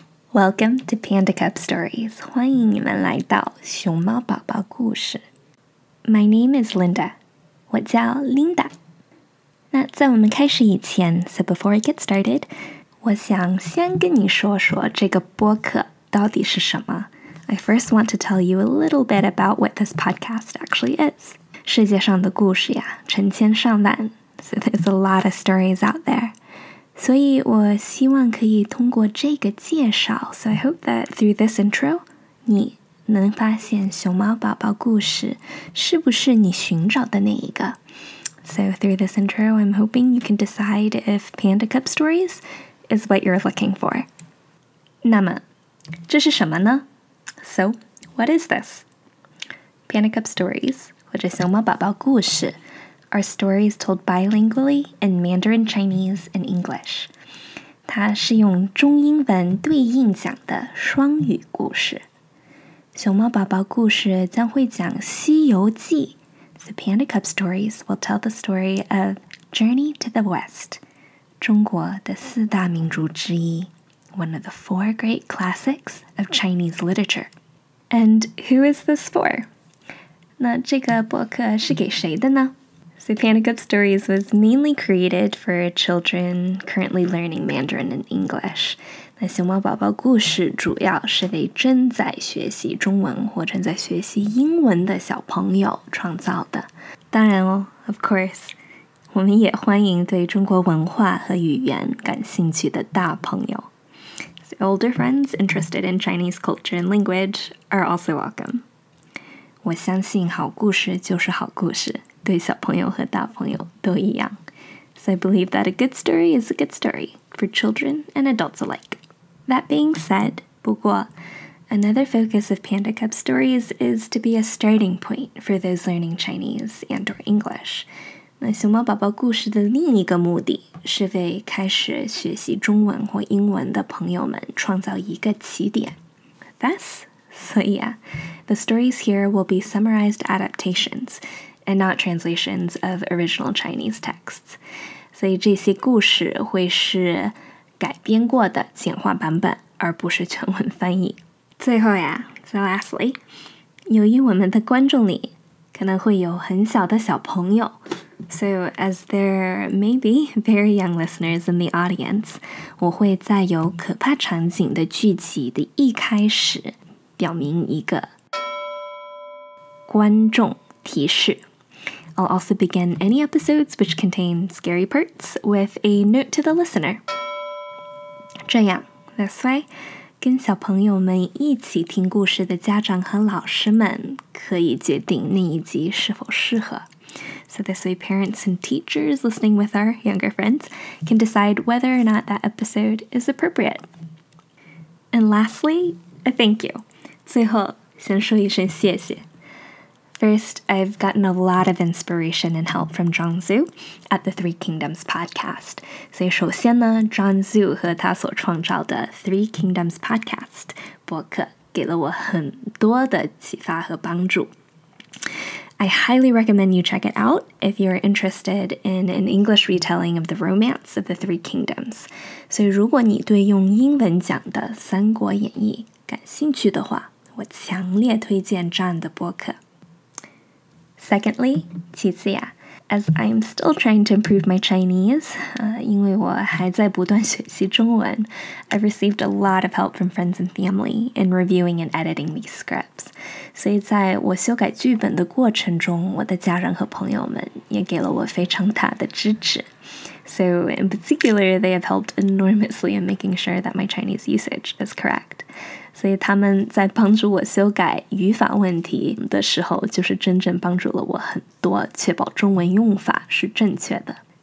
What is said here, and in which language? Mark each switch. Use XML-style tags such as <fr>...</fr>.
<en>Welcome to Panda Cup Stories.</en> <zh>欢迎你们来到熊猫宝宝故事。</zh> <en>My name is Linda.</en> <zh>我叫</zh> <en>Linda.</en> <zh>那在我们开始以前 ,</zh> <en>so before I get started,</en> <zh>我想先跟你说说这个播客到底是什么。</zh> <en>I first want to tell you a little bit about what this podcast actually is.</en> <zh>世界上的故事呀，成千上万。</zh> <en>So there's a lot of stories out there.</en> <zh>所以我希望可以通过这个介绍</zh> <en>So I hope that through this intro,</en> <zh>你能发现熊猫宝宝故事是不是你寻找的那一个。</zh> <en>So through this intro, I'm hoping you can decide if Panda Cup Stories is what you're looking for.</en> <zh>那么，这是什么呢？</zh> <en>So, what is this? Panda Cup Stories,</en> <zh>或者熊猫宝宝故事</zh> <en>are stories told bilingually in Mandarin Chinese and English.</en> <zh>它是用中英文对应讲的双语故事。熊猫宝宝故事将会讲西游记。</zh> <en>So Panda Cup Stories will tell the story of Journey to the West,</en> <zh>中国的四大名著之一。</zh> <en>One of the four great classics of Chinese literature. And who is this for?</en> <zh>那这个播客是给谁的呢？</zh> <en>So Panda Cup Stories was mainly created for children currently learning Mandarin and English.</en> <zh>那熊猫宝宝故事主要是为正在学习中文或正在学习英文的小朋友创造的。当然哦</zh> <en>of course,</en> <zh>我们也欢迎对中国文化和语言感兴趣的大朋友。</zh> <en>Older friends interested in Chinese culture and language are also welcome.</en> <zh>我相信好故事就是好故事，对小朋友和大朋友都一样。</zh> <en>So I believe that a good story is a good story for children and adults alike. That being said,</en> <zh>不过</zh> <en>another focus of Panda Cup Stories is to be a starting point for those learning Chinese and or English.</en> <zh>那熊猫宝宝故事的另一个目的是为开始学习中文或英文的朋友们创造一个起点。</zh> <en>Thus, so yeah, the stories here will be summarized adaptations and not translations of original Chinese texts.</en> <zh>所以这些故事会是改编过的简化版本而不是全文翻译。最后呀</zh> <en>so lastly,</en> <zh>由于我们的观众里可能会有很小的小朋友</zh> <en>So, as there may be very young listeners in the audience,</en> <zh>我会在有可怕场景的剧集的一开始表明一个观众提示。</zh> <en>I'll also begin any episodes which contain scary parts with a note to the listener.</en> <zh>这样 ,</zh> <en>this way,</en> <zh>跟小朋友们一起听故事的家长和老师们可以决定那一集是否适合。</zh> <en>So this way parents and teachers listening with our younger friends can decide whether or not that episode is appropriate. And lastly, a thank you.</en> <zh>最后先说一声谢谢。</zh> <en>First, I've gotten a lot of inspiration and help from Zhang Zhu at the Three Kingdoms podcast.</en> <zh>所以首先呢 ,Zhang Zhu 和他所创造的 Three Kingdoms podcast 播客给了我很多的启发和帮助。</zh> <en>I highly recommend you check it out if you're interested in an English retelling of the romance of the Three Kingdoms.</en> <zh>所以如果你对用英文讲的《三国演义》感兴趣的话，我强烈推荐John的播客。</zh> <en>Secondly,</en> <zh>其次呀</zh> <en>as I'm still trying to improve my Chinese,</en> <zh>因为我还在不断学习中文</zh> <en>I've received a lot of help from friends and family in reviewing and editing these scripts.</en> <zh>所以在我修改剧本的过程中我的家人和朋友们也给了我非常大的支持</zh> <en>So in particular they have helped enormously in making sure that my Chinese usage is correct</en> <zh>所以他们在帮助我修改语法问题的时候就是真正帮助了我很多确保中文用法是正确的</zh>